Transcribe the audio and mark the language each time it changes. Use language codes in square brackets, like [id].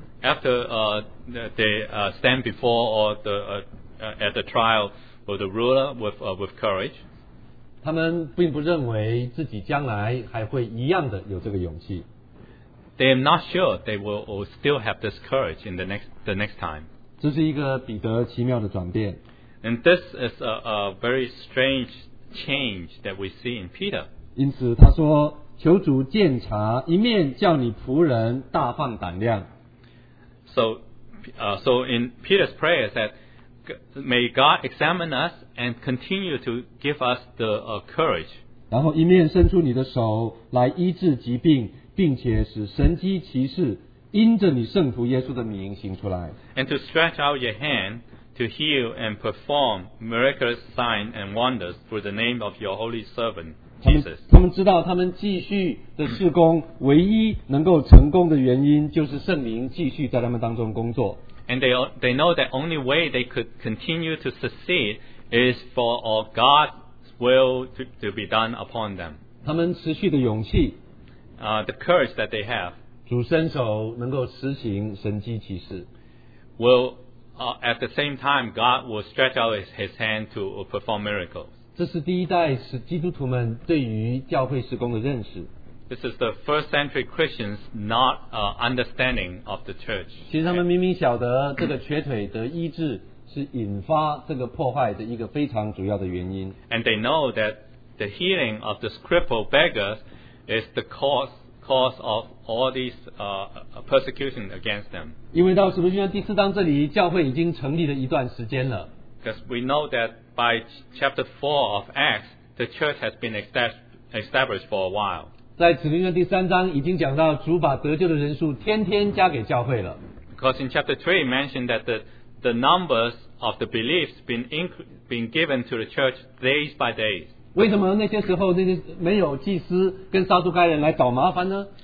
[en] After they stand before at the trial of the ruler with courage. [zh] 他们并不认为自己将来还会一样的有这个勇气。 [en] They are not sure they will still have this courage in the next time. [zh] 这是一个彼得奇妙的转变。 [en] And this is a very strange change that we see in Peter. [zh] 因此他说，求主鉴察，一面叫你仆人大放胆量。 [en] So in Peter's prayer is that may God examine us and continue to give us the courage. [zh] 然后一面伸出你的手来医治疾病，并且使神迹奇事因着你圣徒耶稣的名行出来。 [en] And to stretch out your hand. To heal and perform miraculous signs and wonders through the name of your holy servant Jesus. [zh] 他们知道他们继续的事工，唯一能够成功的原因就是圣灵继续在他们当中工作。 [en] And they know that only way they could continue to succeed is for all God's will to be done upon them. [zh] 他们持续的勇气 [en] ，the courage that they have. [zh] 主伸手能够实行神迹奇事。 [en] Will at the same time, God will stretch out His hand to perform miracles. [zh] 这是第一代使基督徒们对于教会事工的认识。 [en] This is the first century Christians not understanding of the church. [zh] 其实他们明明晓得这个瘸腿的医治是引发这个破坏的一个非常主要的原因。 [en] And they know that the healing of this crippled beggar is the cause of all these persecution against them. [zh] 因为到使徒行传第四章这里，教会已经成立了一段时间了。 [en] Because we know that by chapter 4 of Acts, the church has been established for a while. [zh] 在使徒行传第三章已经讲到，主把得救的人数天天加给教会了。 [en] Because in chapter 3, it mentioned that the numbers of the beliefs being given to the church days by days. [zh] 为什么那些时候那些没有祭司跟撒都该人来找麻烦呢？